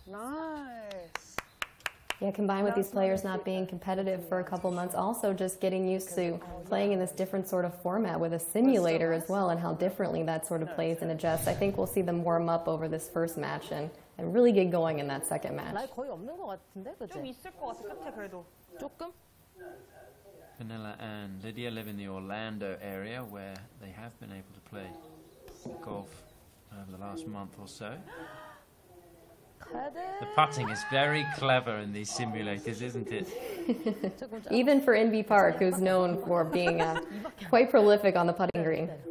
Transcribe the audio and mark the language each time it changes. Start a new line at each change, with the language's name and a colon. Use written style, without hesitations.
English: Nice. Yeah, combined with these players not being competitive for a couple months, also just getting used to playing in this different sort of format with a simulator as well and how differently that sort of plays and adjusts. I think we'll see them warm up over this first match and really get going in that second match.
Korean: 라이 거의 없는 것 같은데, 그치? 좀 있을 것 같아, 끝에 그래도. 조금?
English: Pernilla and Lydia live in the Orlando area where they have been able to play golf over the last month or so. The putting is very clever in these simulators, isn't it? Even for Inbee Park, who's known for being quite prolific on the putting green.